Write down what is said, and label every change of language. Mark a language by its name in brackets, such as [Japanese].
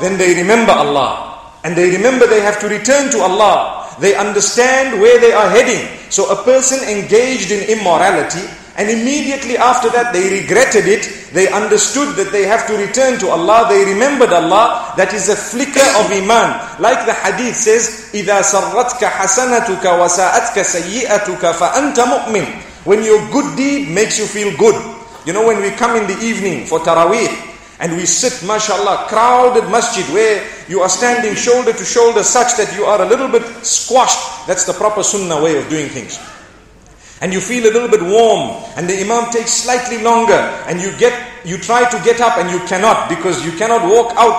[English] Then they remember Allah. And they remember they have to return to Allah. They understand where they are heading. So a person engaged in immorality, and immediately after that they regretted it, they understood that they have to return to Allah, they remembered Allah, that is a flicker of iman. Like the hadith says, [Arabic] إِذَا سَرَّتْكَ حَسَنَتُكَ وَسَاءَتْكَ سَيِّئَتُكَ فَأَنْتَ مُؤْمِنٍ. [English] When your good deed makes you feel good. You know, when we come in the evening for Taraweeh, and we sit, mashallah, crowded masjid where you are standing shoulder to shoulder such that you are a little bit squashed. That's the proper sunnah way of doing things. And you feel a little bit warm and the imam takes slightly longer and you try to get up and you cannot because you cannot walk out.